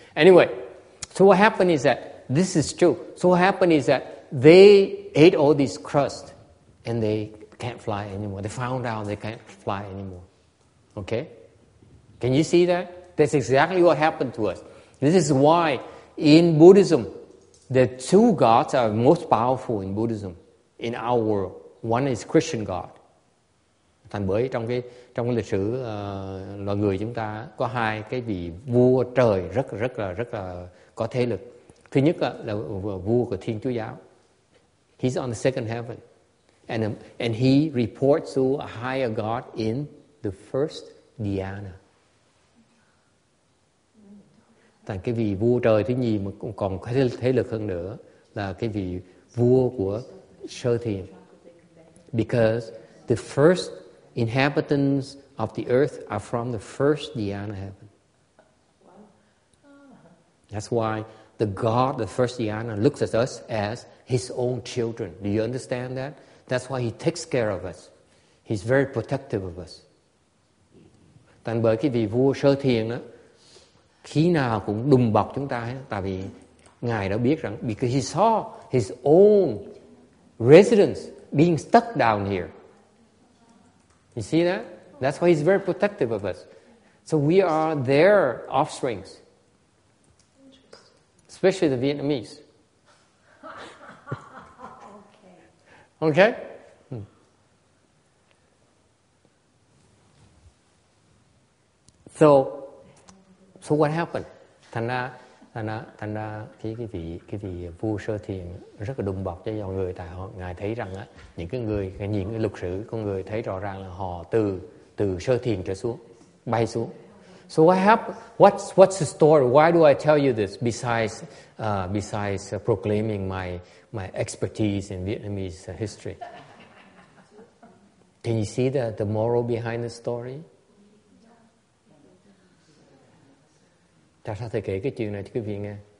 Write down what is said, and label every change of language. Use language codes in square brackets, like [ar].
[en] Anyway, so what happened is that, this is true. So what happened is that they ate all this crust and they can't fly anymore. They found out they can't fly anymore. Okay? Can you see that? That's exactly what happened to us. This is why in Buddhism, the two gods are most powerful in Buddhism, in our world. One is Christian God. [vi] Thành bởi trong cái lịch sử loài người chúng ta có hai cái vị vua trời rất là có thế lực. Thứ nhất là vua của Thiên Chúa Giáo. [en] He's on the second heaven. And he reports to a higher God in the first dhyana. [vi] Thành cái vị vua trời thứ nhì mà còn có thế lực hơn nữa là cái vị vua của sơ thiền. [en] Because the first inhabitants of the earth are from the first dhyana heaven. That's why the God, the first dhyana, looks at us as his own children. Do you understand that? That's why he takes care of us. He's very protective of us. [vi] Tại bởi cái vị vua sơ thiền đó, khi nào cũng đùm bọc chúng ta, tại vì Ngài đã biết rằng, [en] because he saw his own residence being stuck down here. You see that? That's why he's very protective of us. So we are their offsprings. Especially the Vietnamese. Okay? So what happened? [vi] Thành ra cái vị vua sơ thiền rất là đùm bọc cho dòng người, tại họ ngài thấy rằng á, những cái người nhìn cái lục sử con người thấy rõ ràng là họ từ sơ thiền trở xuống, bay xuống. [en] So what happened? What's the story? Why do I tell you this besides proclaiming my expertise in Vietnamese history? Can you see the moral behind the story? [vi] Tại sao thầy kể cái chuyện này cho quý vị nghe?